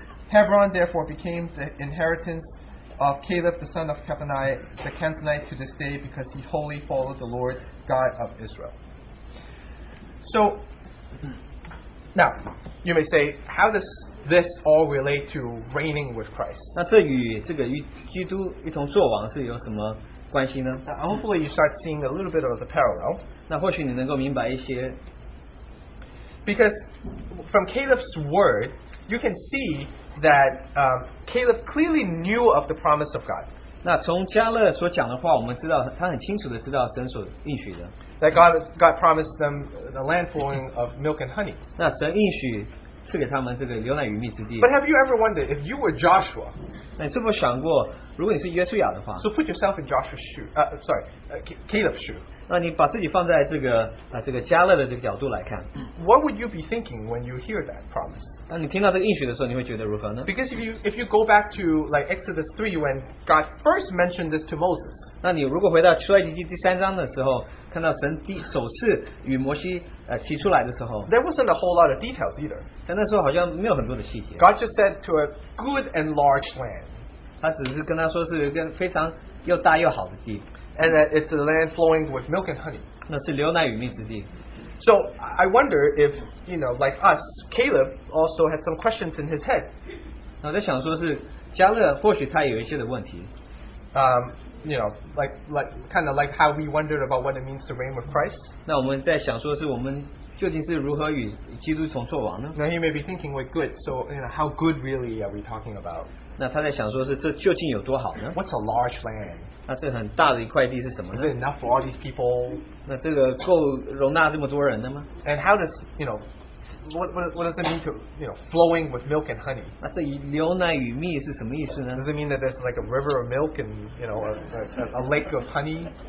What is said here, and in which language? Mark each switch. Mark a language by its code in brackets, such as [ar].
[en] Hebron therefore became the inheritance of Caleb, the son of Cephani, the Kenzanite, to this day, because he wholly followed the Lord God of Israel. So, now, you may say, how does this all relate to reigning with Christ? [zh] 那这与这个与基督一同作王是有什么关系呢？ [en] Now, hopefully you start seeing a little bit of the parallel. [zh] 那或许你能够明白一些。 [en] Because from Caleb's word, you can see that Caleb clearly knew of the promise of God. [zh] 那从加勒所讲的话, 我们知道, 他很清楚地知道神所应许的, [en] that God promised them the land flowing of milk and honey. [zh] 那神应许赐给他们这个牛奶与蜜之地。 [en] But have you ever wondered, if you were Joshua, [zh] 那你是否想过, 如果你是约书亚的话, [en] so put yourself in Joshua's shoe, Caleb's shoe. [zh] 那你把自己放在这个, 这个加勒的这个角度来看, [en] what would you be thinking when you hear that promise? [zh] 那你听到这个应许的时候, 你会觉得如何呢? [en] Because if you go back to like Exodus 3 when God first mentioned this to Moses, [zh] 那你如果回到出埃及记第三章的时候, 看到神第首次与摩西, 提出来的时候, [en] there wasn't a whole lot of details either. [zh] 但那时候好像没有很多的细节, [en] God just said to a good and large land. [zh] 他只是跟他说是一个非常又大又好的地, [en] and that it's a land flowing with milk and honey. [zh] 那是牛奶与蜜之地。 [en] So I wonder if, you know, like us, Caleb also had some questions in his head. [zh] 那我在想说是加勒或许他有一些的问题。 [en] You know, like how we wondered about what it means to reign with Christ. [zh] 那我们在想说是我们究竟是如何与基督同作王呢? [en] Now he may be thinking, we're good, so you know, how good really are we talking about? [zh] 那他在想说是这究竟有多好呢? [en] What's a large land? [zh] 那这很大的一块地是什么呢? [en] Is it enough for all these people? [zh] 那这个够容纳这么多人的吗? [en] And how does, you know, what does it mean to, you know, flowing with milk and honey? [zh] 那这牛奶与蜜是什么意思呢? [en] Does it mean that there's like a river of milk and, you know, a lake of honey?